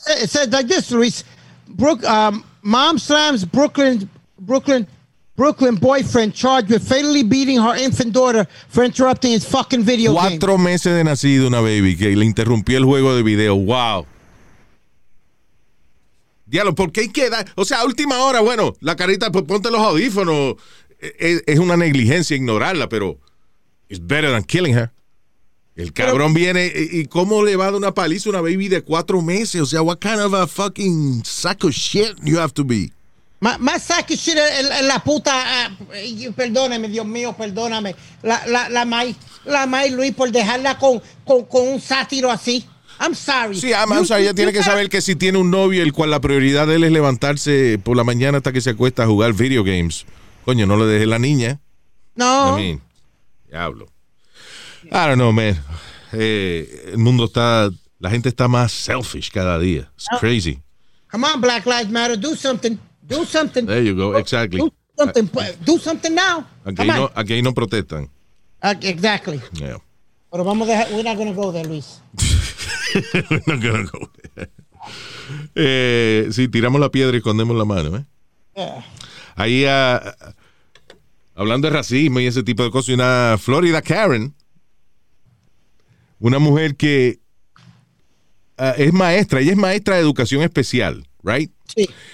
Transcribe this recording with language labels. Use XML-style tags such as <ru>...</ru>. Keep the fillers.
<en>it like this, Mom slams Brooklyn, Brooklyn, Brooklyn boyfriend charged with fatally beating her infant daughter for interrupting his fucking video Cuatro game.</en> <es>meses de nacido una baby que le interrumpió el juego de video. Wow. Diablo, ¿por qué hay que O sea, última hora, bueno, la carita, pues ponte los audífonos. Es, es una negligencia ignorarla, pero es</es> <en>better than killing her.</en> <es>El cabrón Pero, viene y, cómo le va de una paliza a una baby de cuatro meses. O sea,</es> <en>what kind of a fucking sack of shit you have to be.</en> <es>Más</es> <en>sack of shit el,</en> <es>el, la puta. Uh, perdóneme, Dios mío, perdóname. La, la, la May la May Luis por dejarla con, con, con, un sátiro así.</es> <en>I'm sorry.</en> <es>Sí, I'm, o sea, you, Ella you tiene que saber que si tiene un novio el cual la prioridad de él es levantarse por la mañana hasta que se acuesta a jugar video games. Coño, no le deje la niña. No.</es> <en>I mean.</en> <es>diablo.</es> <en>I don't know, man.</en> <es>Eh, el mundo está. La gente está más selfish cada día.</es> <en>It's crazy. Come on, Black Lives Matter. Do something. Do something. There you go. Do, exactly. Do something. Do something now.</en> <es>Aquí, okay, no, aquí okay, no protestan.</es> <en>Uh, exactly. Yeah.</en> <es>Pero vamos a</es> <en>We're not going go there, Luis. we're not going go there.</en> <es>Eh, sí, tiramos la piedra y escondemos la mano. Eh. Yeah. Ahí, uh, hablando de racismo y ese tipo de cosas, una Florida Karen una mujer que uh, es maestra, ella es maestra de educación especial,</es> <en>¿right?</en> <es>Sí.</es>